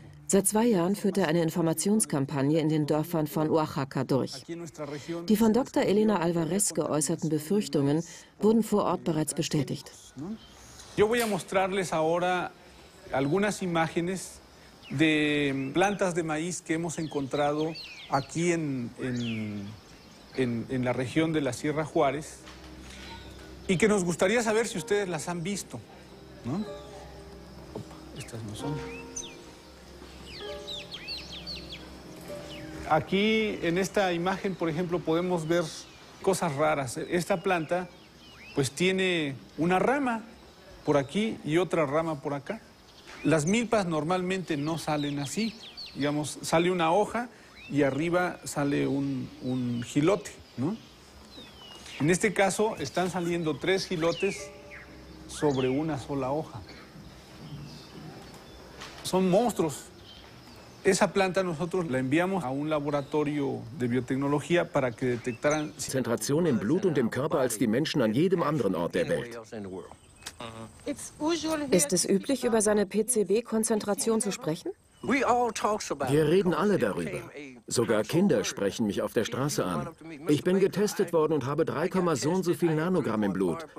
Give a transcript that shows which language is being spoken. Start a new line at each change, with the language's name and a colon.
German: Seit 2 Jahren führt er eine Informationskampagne in den Dörfern von Oaxaca durch. Die von Dr. Elena Alvarez geäußerten Befürchtungen wurden vor Ort bereits bestätigt.
Spanish: Yo voy a mostrarles ahora algunas imágenes de plantas de maíz que hemos encontrado aquí en la región de la Sierra Juárez y que nos gustaría saber si ustedes las han visto, ¿no? Opa, estas no son. Aquí en esta imagen, por ejemplo, podemos ver cosas raras. Esta planta, pues, tiene una rama por aquí y otra rama por acá. Las milpas normalmente no salen así. Digamos, sale una hoja y arriba sale un jilote, ¿no? En este caso, están saliendo 3 jilotes sobre una sola hoja. Son monstruos. Esa planta nosotros la enviamos a un laboratorio de biotecnología para que detectaran
German: Konzentration im Blut und im Körper als die Menschen an jedem anderen Ort der Welt. Ist es üblich, über seine PCB-Konzentration zu sprechen? Wir reden alle darüber. Sogar Kinder sprechen mich auf der Straße an. Ich bin getestet worden und habe 3, so und so viel Nanogramm im Blut.